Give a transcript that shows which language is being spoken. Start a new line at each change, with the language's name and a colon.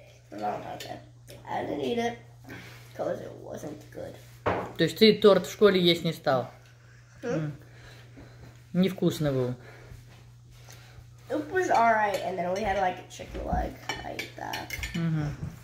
English: Valentine's Day. I didn't eat it, because it wasn't good.
Russian: То есть ты торт в школе есть не стал? Hmm? Невкусно был.
English: It was alright, and then we had like a chicken leg. I ate that.